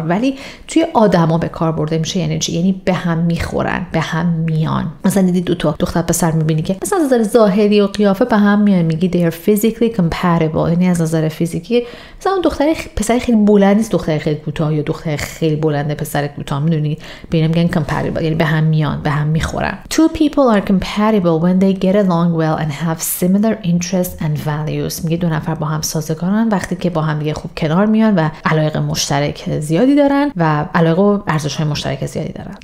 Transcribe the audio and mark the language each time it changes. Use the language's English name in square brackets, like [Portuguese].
[Persian] ولی توی آدما به کار برده میشه یعنی چی؟ یعنی به هم میخورن، به هم میان. مثلا دیدی دو تا دختر پسر میبینی که مثلا از نظر ظاهری و قیافه به هم میان، میگی [English] they are physically compatible. [Persian] یعنی از نظر فیزیکی مثلا دختر پسر خیلی بلند نیست، دختر خیلی کوتاه، یا دختر خیلی بلنده پسر کوتاه، میدونی؟ ببینم میگن compatible، یعنی به هم میان، به هم میخورن. [English] Two people are compatible when they get along well and have similar interests and values. [Persian] میگه دو نفر با هم سازگارن وقتی که با هم دیگه خوب کنار میان و علایق مشترک زیادی دارن و علایق و ارزش های مشترک زیادی دارن.